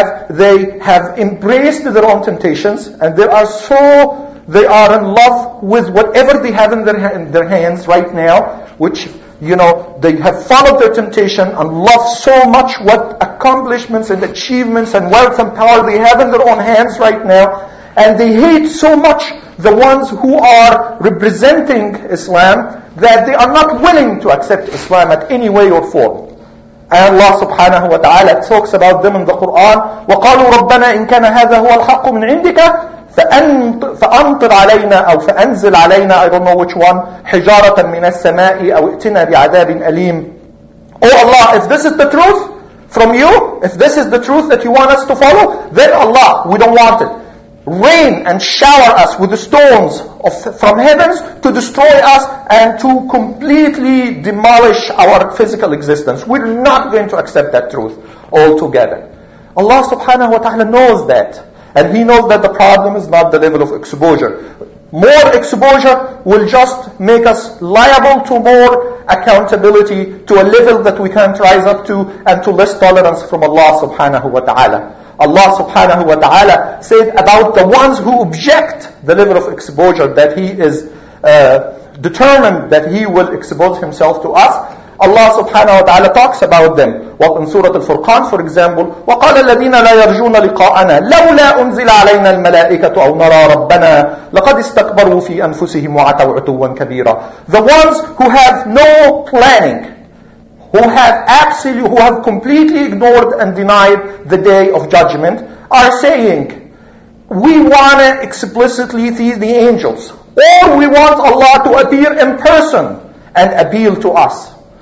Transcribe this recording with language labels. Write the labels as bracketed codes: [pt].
[en] They have embraced their own temptations, and they are in love with whatever they have in their hands right now, which, you know, they have followed their temptation and love so much what accomplishments and achievements and wealth and power they have in their own hands right now. And they hate so much the ones who are representing Islam that they are not willing to accept Islam at any way or form. And Allah subhanahu wa ta'ala talks about them in the Quran. [ar] وَقَالُوا رَبَّنَا إِن كَانَ هَذَا هُوَ الْحَقُّ مِنْ عِنْدِكَ فَأَنْطِرْ عَلَيْنَا أَوْ فَأَنْزِلْ عَلَيْنَا, [en] I don't know which one, [ar] حِجَارَةً مِنَ السَّمَاءِ أَوْ اِئْتِنَا بِعَذَابٍ أَلِيمٍ. [en] Oh Allah, if this is the truth from you, if this is the truth that you want us to follow, then Allah, we don't want it. Rain and shower us with the stones of from heavens to destroy us and to completely demolish our physical existence. We're not going to accept that truth altogether. Allah subhanahu wa ta'ala knows that. And He knows that the problem is not the level of exposure. More exposure will just make us liable to more accountability, to a level that we can't rise up to, and to less tolerance from Allah subhanahu wa ta'ala. Allah subhanahu wa ta'ala said about the ones who object the level of exposure that He is determined that He will expose Himself to us. Allah subhanahu wa ta'ala talks about them. Well, in Surah Al-Furqan, for example, [ar] وَقَالَ الَّذِينَ لَا يَرْجُونَ لِقَاءَنَا لَوْلَا أُنْزِلَ عَلَيْنَا الْمَلَائِكَةُ أَوْ نَرَى رَبَّنَا لَقَدْ اسْتَكْبَرُوا فِي أَنفُسِهِمْ وَعَتَوْ عُتُوًّا كَبِيرًا. [en] The ones who have no planning, who have absolutely, who have completely ignored and denied the Day of Judgment, are saying, we want to explicitly see the angels, or we want Allah to appear in person and appeal to us.